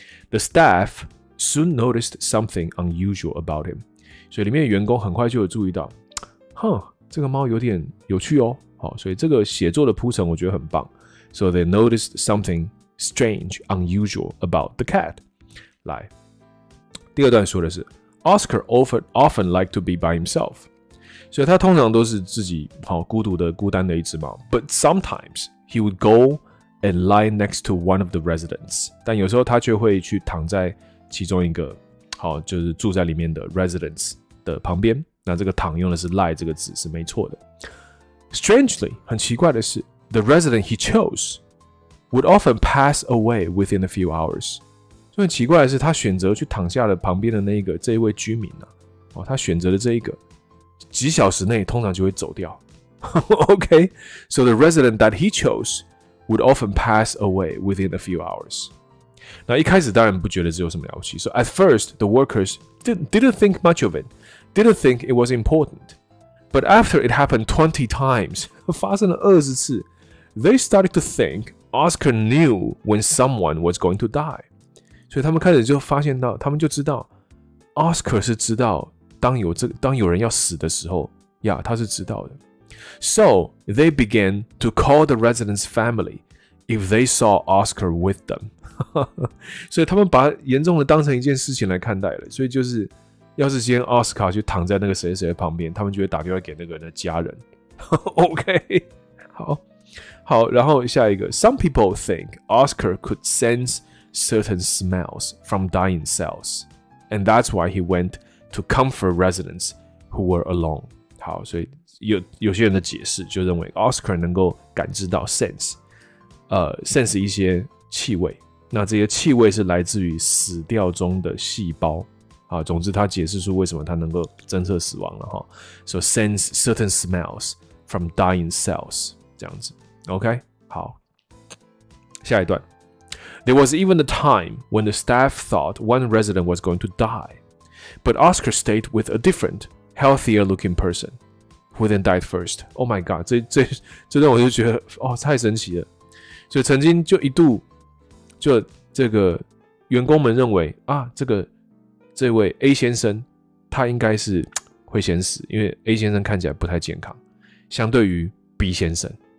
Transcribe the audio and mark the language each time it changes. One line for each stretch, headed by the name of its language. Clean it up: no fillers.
English: The staff soon noticed something unusual about him.
Chinese: 所以里面的员工很快就有注意到，哼，这个猫有点有趣哦。好，所以这个写作的铺陈我觉得很棒。
English: So they noticed something strange, unusual about the cat.
Chinese: 来。第二段说的是 ，
English: Oscar often liked to be by himself，
Chinese: 所以他通常都是自己好孤独的、孤单的一只猫。
English: But sometimes he would go and lie next to one of the residents，
Chinese: 但有时候他却会去躺在其中一个好就是住在里面的 residents 的旁边。那这个躺用的是 lie 这个字是没错的。
English: Strangely，
Chinese: 很奇怪的是
English: ，the resident he chose would often pass away within a few hours。
Chinese: 很奇怪的是，他选择去躺下的旁边的那一个这一位居民、啊哦、他选择的这一个几小时内通常就会走掉。
English: OK， so the resident that he chose would often pass away within a few hours。
Chinese: 那一开始当然不觉得这有什么了不起。
English: So at first the workers didn't think much of it, didn't think it was important. But after it happened 20 times,
Chinese: 发生了20次
English: ，they started to think Oscar knew when someone was going to die.
Chinese: 所以他们开始就发现到，他们就知道 ，Oscar 是知道当有人要死的时候呀，他是知道的。
English: So they began to call the residents' family if they saw Oscar with them 。
Chinese: 所以他们把严重的当成一件事情来看待了。所以就是，要是今天 Oscar 就躺在那个谁谁旁边，他们就会打电话给那个人的家人。
English: OK，
Chinese: 好，好，然后下一个
English: ，Some people think Oscar could sense. Certain smells from dying cells, and that's why he went to comfort residents who were alone.
Chinese: 好，所以有些人的解释就认为 Oscar 能够感知到 sense 一些气味，那这些气味是来自于死掉中的细胞啊。总之，他解释出为什么他能够侦测死亡了哈。
English: So sense certain smells from dying cells
Chinese: 这样子。 OK， 好，下一段。
English: There was even a time when the staff thought one resident was going to die, but Oscar stayed with a different, healthier-looking person, who then died first. Oh my god!
Chinese: 这段我就觉得哦，太神奇了。所以曾经就一度，就这个员工们认为啊，这位 A 先生他应该是会先死，因为 A 先生看起来不太健康，相对于 B 先生。